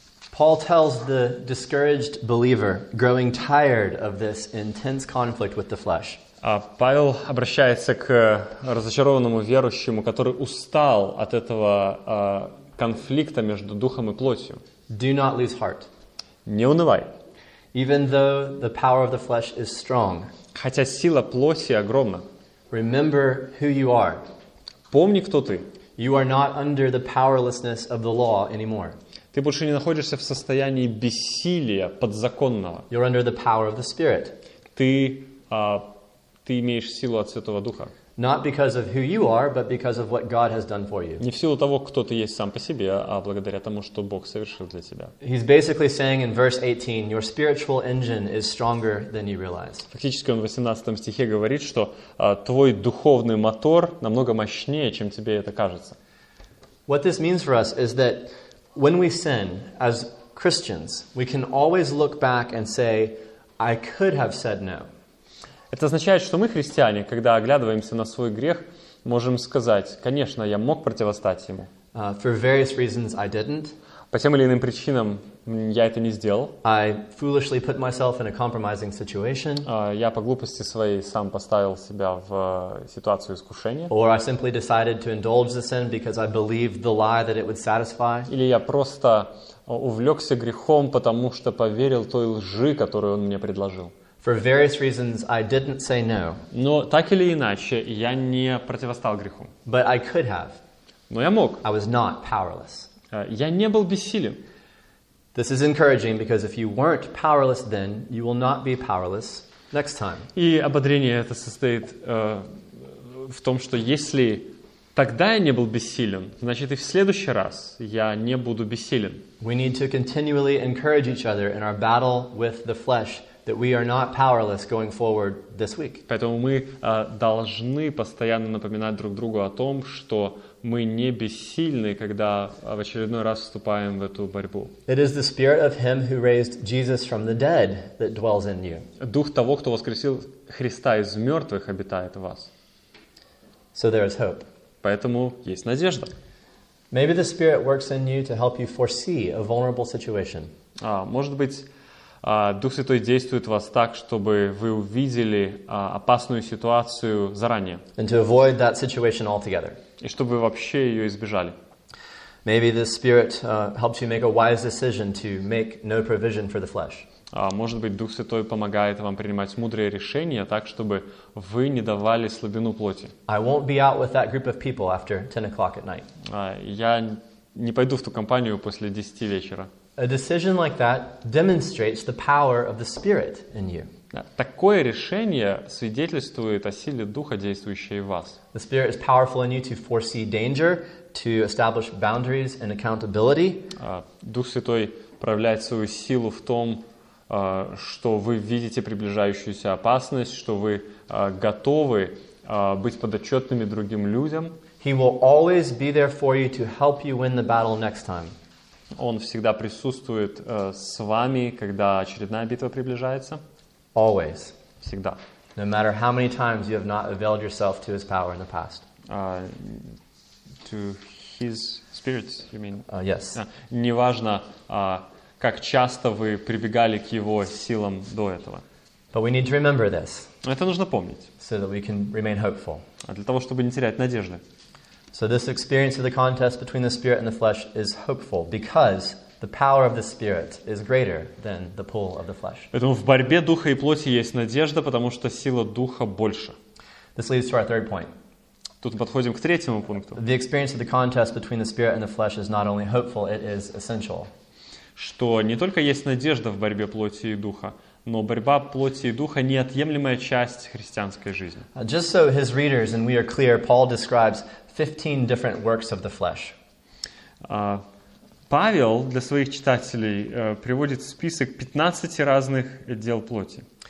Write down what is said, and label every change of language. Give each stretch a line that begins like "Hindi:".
English: Paul tells the discouraged believer, growing tired of this intense conflict with the flesh.
Russian: Павел обращается к разочарованному верующему, который устал от этого конфликта между духом и плотью.
English: Do not lose heart.
Russian: Не унывай.
English: Even though the power of the flesh is strong.
Russian: Хотя сила плоти огромна.
English: Remember who you are.
Russian: Помни, кто ты.
English: You are not under the powerlessness of the law anymore.
Russian: Ты больше не находишься в состоянии бессилия подзаконного.
English: You're under the power of the Spirit.
Russian: Ты имеешь силу от Святого Духа.
English: Not because of who you are, but because of what God has done for you.
Russian: Не в силу того, кто ты есть сам по себе, а благодаря тому, что Бог совершил для тебя.
English: He's basically saying in verse 18, your spiritual engine is stronger than you realize.
Russian: Фактически он в 18 стихе говорит, что твой духовный мотор намного мощнее, чем тебе это кажется.
English: What this means for us is that when we sin as Christians, we can always look back and say, I could have said no.
Russian: Это означает, что мы, христиане, когда оглядываемся на свой грех, можем сказать: конечно, я мог противостать ему.
English: For various reasons I didn't.
Russian: По тем или иным причинам я это не сделал.
English: I foolishly put myself in a compromising situation.
Russian: Я по глупости своей сам поставил себя в ситуацию искушения.
English: Or I simply decided to indulge the sin because I believed the lie that it would satisfy.
Russian: Или я просто увлекся грехом, потому что поверил той лжи, которую он мне предложил.
English: For various reasons, I didn't say no.
Russian: Но так или иначе, я не противостал греху.
English: But I could have.
Russian: Но я мог.
English: I was not powerless.
Russian: Я не был бессилен.
English: This is encouraging because if you weren't powerless then, you will not be powerless next time.
Russian: И ободрение это состоит в том, что если тогда я не был бессилен, значит и в следующий раз я не буду бессилен.
English: We need to continually encourage each other in our battle with the flesh that we are not powerless going forward this week.
Russian: Поэтому мы должны постоянно напоминать друг другу о том, что мы не бессильны, когда в очередной раз вступаем в эту борьбу.
English: It is the spirit of him who raised Jesus from the dead that dwells in you.
Russian: Дух того, кто воскресил Христа из мертвых, обитает в вас.
English: So there is hope.
Russian: Поэтому есть надежда.
English: Maybe the spirit works in you to help you foresee a vulnerable situation.
Russian: Может быть, Дух Святой действует в вас так, чтобы вы увидели опасную ситуацию заранее.
English: And to avoid that situation altogether.
Russian: И чтобы вы вообще ее избежали.
English: Maybe the Spirit helps you make a wise decision to make no provision for the flesh.
Russian: Может быть, Дух Святой помогает вам принимать мудрые решения так, чтобы вы не давали слабину плоти.
English: I won't be out with that group of people after 10 o'clock at night.
Russian: Я не пойду в ту компанию после 10 вечера.
English: A decision like that demonstrates the power of the Spirit in you.
Russian: Такое решение свидетельствует о силе Духа, действующей в вас.
English: The Spirit is powerful in you to foresee danger, to establish boundaries and accountability.
Russian: Дух Святой проявляет свою силу в том, что вы видите приближающуюся опасность, что вы готовы быть подотчетными другим людям.
English: He will always be there for you to help you win the battle next time.
Russian: Он всегда присутствует с вами, когда очередная битва приближается.
English: Always.
Russian: Всегда.
English: No matter how many times you have not availed yourself to his power in the past. To his spirit, you mean? Yes.
Russian: Неважно, как часто вы прибегали к его силам до этого.
English: But we need to remember this.
Russian: Это нужно помнить.
English: So that we can remain hopeful.
Russian: Для того, чтобы не терять надежды.
English: So this experience of the contest between the spirit and the flesh is hopeful because the power of the spirit is greater than the pull of the flesh.
Russian: Поэтому в борьбе духа и плоти есть надежда, потому что сила духа больше.
English: This leads to our third point.
Russian: Тут мы подходим к третьему пункту.
English: The experience of the contest between the spirit and the flesh is not only hopeful, it is essential.
Russian: Что не только есть надежда в борьбе плоти и духа, но борьба плоти и духа – неотъемлемая часть христианской жизни.
English: Just so his readers and we are clear, Paul describes 15 different works of the flesh.
Russian: Павел для своих читателей приводит список 15 разных дел плоти.